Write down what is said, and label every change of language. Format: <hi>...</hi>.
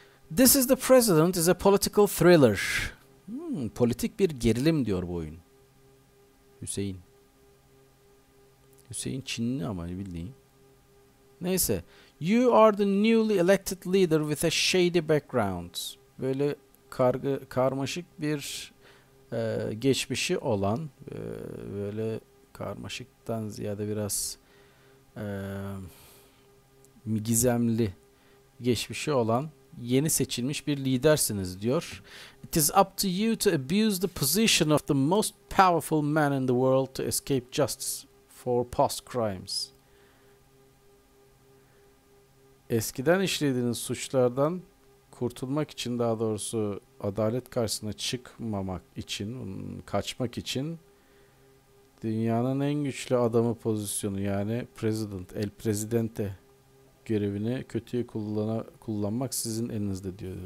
<en>This is the President is a political thriller.</en> <tr>Politik bir gerilim diyor bu oyun. Hüseyin. Hüseyin Çinli ama bildiğin. Neyse.</tr> <en>You are the newly elected leader with a shady background.</en> <tr>Böyle karmaşık bir geçmişi olan, böyle karmaşıktan ziyade biraz gizemli geçmişi olan yeni seçilmiş bir lidersiniz diyor.</tr> <en>It is up to you to abuse the position of the most powerful man in the world to escape justice for past crimes.</en> <tr>Eskiden işlediğiniz suçlardan kurtulmak için, daha doğrusu adalet karşısına çıkmamak için, kaçmak için dünyanın en güçlü adamı pozisyonu, yani president, el presidente görevini kötüye kullanmak sizin elinizde diyor.</tr>